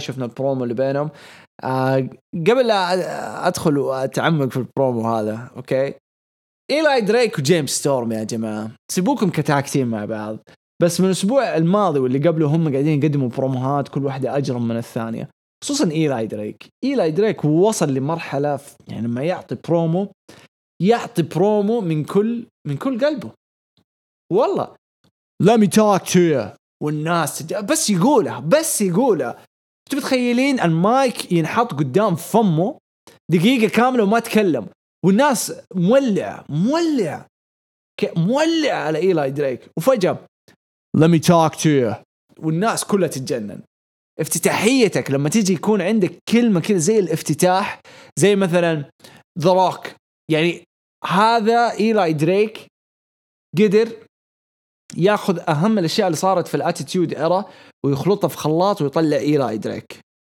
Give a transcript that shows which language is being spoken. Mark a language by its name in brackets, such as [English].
[Arabic] شفنا البرومو اللي بينهم. قبل ادخل واتعمق في البرومو هذا, اوكي, إيلاي دريك وجيمس ستورم يا جماعة سيبوكم كتاكتين مع بعض, بس من الاسبوع الماضي واللي قبله هم قاعدين يقدموا بروموهات كل واحدة اجرم من الثانية, خصوصا إيلاي دريك وصل لمرحلة يعني ما يعطي برومو من كل قلبه. والله [English] Let me talk to you, [Arabic] والناس بس يقولها. تتخيلين المايك ينحط قدام فمه دقيقة كاملة وما تكلم, والناس مولع على إيلاي دريك, وفجأة [English] Let me talk to you, [Arabic] والناس كلها تتجنن. افتتاحيتك لما تيجي يكون عندك كلمة كده زي الافتتاح, زي مثلا The Rock, يعني هذا إيلاي دريك قدر ياخذ أهم الأشياء اللي صارت في الاتيتيود إيرا ويخلطها في خلاط ويطلع إيلاي دريك.